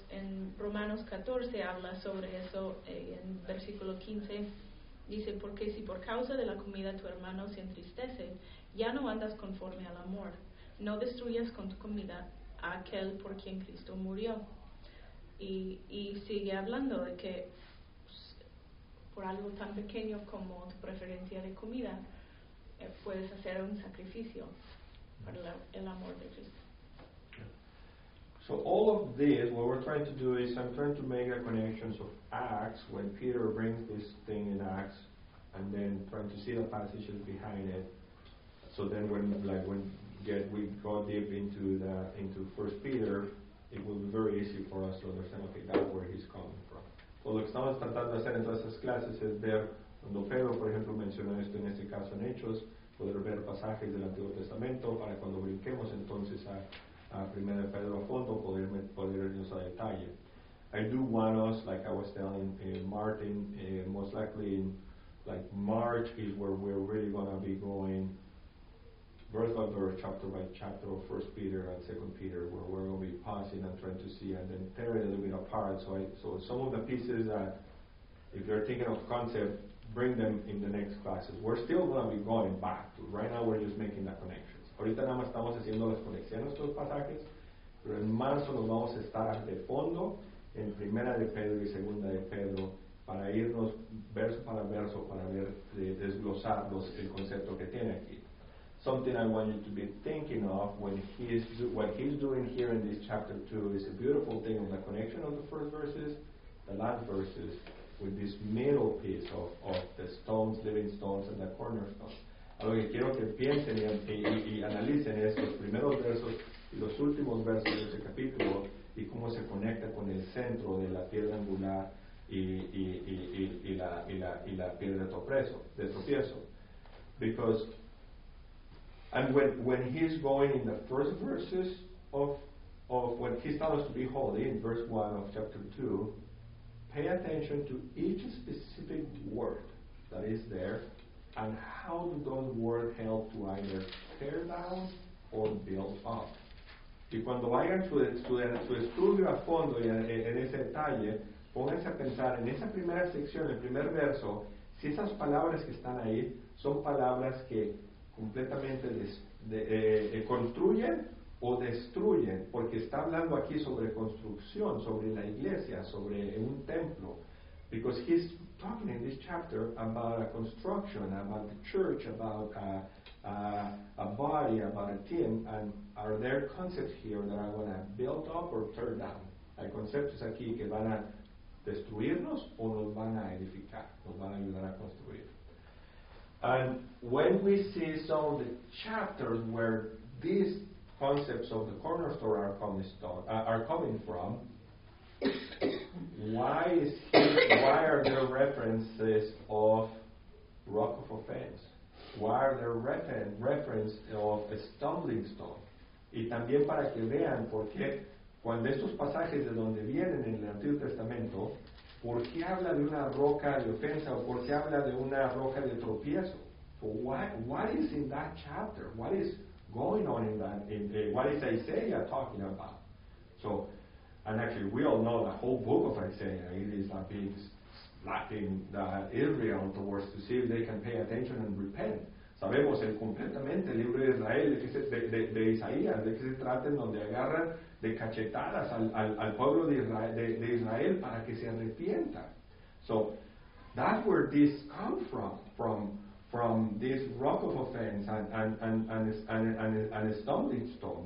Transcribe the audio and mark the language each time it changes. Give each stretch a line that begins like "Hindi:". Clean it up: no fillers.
Spanish: En Romanos 14 habla sobre eso, en versículo 15 dice, porque si por causa de la comida tu hermano se entristece, ya no andas conforme al amor, no destruyas con tu comida a aquel por quien Cristo murió. Y sigue hablando de que pues, por algo tan pequeño como tu preferencia de comida, puedes hacer un sacrificio para el amor de Cristo.
English: So all of this, what we're trying to do is, I'm trying to make a connection of Acts, when Peter brings this thing in Acts, and then trying to see the passages behind it. So then when we go deep into First Peter, it will be very easy for us to understand, okay, that's where he's coming from.
Spanish: So lo que estamos tratando de hacer en todas esas clases es ver, cuando Pedro, por ejemplo, mencionó esto en este caso en Hechos, poder ver pasajes del Antiguo Testamento para cuando brinquemos entonces a primera Pedro a fondo, poder irnos a detalle.
English: I do want us, like I was telling Martin, most likely in like March is where we're really going to be going verse by verse, chapter by chapter of 1 Peter and 2 Peter, where we're going to be pausing and trying to see and then tear it a little bit apart. So some of the pieces that, if you're thinking of concept, bring them in the next classes. We're still going to be going back to. Right now we're just making the connection.
Spanish: Ahorita nada más estamos haciendo las conexiones de estos pasajes, pero en marzo nos vamos a estar de fondo en primera de Pedro y segunda de Pedro para irnos verso, para ver, desglosar el concepto que tiene aquí.
English: Something I want you to be thinking of what he's doing here in this chapter 2 is a beautiful thing, the connection of the first verses, the last verses, with this middle piece of the stones, living stones, and the cornerstones.
Spanish: Lo que quiero que piensen y analicen es los primeros versos y los últimos versos de este capítulo y cómo se conecta con el centro de la piedra angular y la piedra de tropiezo.
English: Because and when he's going in the first verses of when he tells to be holy in verse 1 of chapter 2, pay attention to each specific word that is there and how do those words help to either tear down or build up.
Spanish: Y cuando vayan su estudio a fondo y en ese detalle, pónganse a pensar en esa primera sección, el primer verso, si esas palabras que están ahí son palabras que completamente construyen o destruyen, porque está hablando aquí sobre construcción, sobre la iglesia, sobre un templo.
English: Because he's talking in this chapter about a construction, about the church, about a body, about a team, and are there concepts here that are going to build up or tear down?
Spanish: Hay conceptos aquí que van a destruirnos o nos van a edificar, nos van a ayudar a construir.
English: And when we see some of the chapters where these concepts of the cornerstone are coming from, why are there references of rock of offense? Why are there references of a stumbling stone?
Spanish: Y también para que vean por qué cuando estos pasajes de donde vienen en el Antiguo Testamento, ¿por qué habla de una roca de ofensa o por qué habla de una roca de tropiezo?
English: What is in that chapter? What is going on in that? What is Isaiah talking about? So, and actually, we all know the whole book of Isaiah. It is a big slapping the Israel towards to see if they can pay attention and repent.
Spanish: Sabemos el completamente libro de Israel de Isaías, de que se traten donde agarran de cachetadas al pueblo de Israel, de Israel para que se arrepienta.
English: So, that's where this comes from this rock of offense and a stumbling stone.